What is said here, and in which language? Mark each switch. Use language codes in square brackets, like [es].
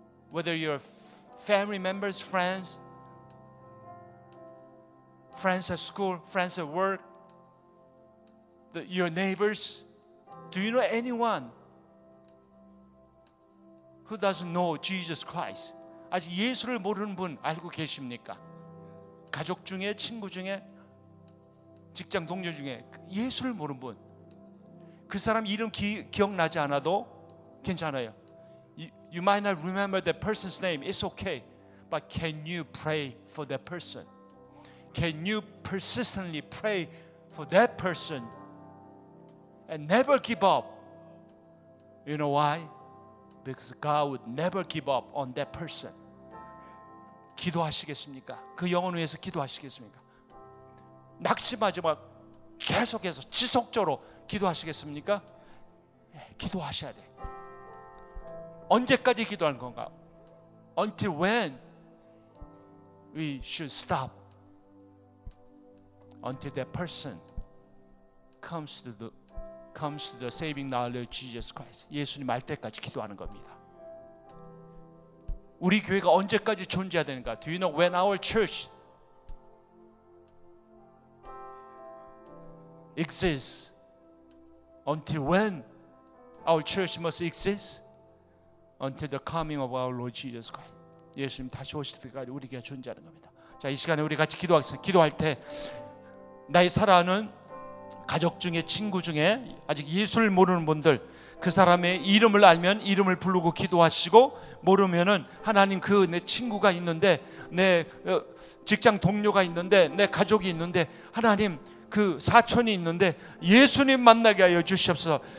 [en] Whether you're family members, friends, friends at school, friends at work, your neighbors, do you know anyone who doesn't know Jesus Christ? [ko] 아직 예수를 모르는 분 알고 계십니까? 가족 중에, 친구 중에, 직장 동료 중에 예수를 모르는 분, 그 사람 이름 기억나지 않아도 괜찮아요. [en] You might not remember that person's name. It's okay. But can you pray for that person? Can you persistently pray for that person and never give up? You know why? Because God would never give up on that person. [ko] 기도하시겠습니까? 그 영혼 위해서 기도하시겠습니까? 낙심하지 마. 계속해서 지속적으로 기도하시겠습니까? 예, 기도하셔야 돼. 언제까지 기도하는 건가? [en] Until when we should stop? Until that person comes to the saving knowledge of Jesus Christ. [ko] 예수님 알 때까지 기도하는 겁니다. 우리 교회가 언제까지 존재해야 되는가? [en] Do you know when our church exists? Until when our church must exist? Until the coming of our Lord Jesus Christ. [ko] 예수님 다시 오실 때까지 우리 교회가 존재하는 겁니다. 자, 이 시간에 우리 같이 기도하겠습니다. 기도할 때 나의 사랑하는 가족 중에, 친구 중에 아직 예수를 모르는 분들, 그 사람의 이름을 알면 이름을 부르고 기도하시고, 모르면은 하나님 그 내 친구가 있는데, 내 직장 동료가 있는데, 내 가족이 있는데, 하나님 그 사촌이 있는데 예수님 만나게 하여 주시옵소서.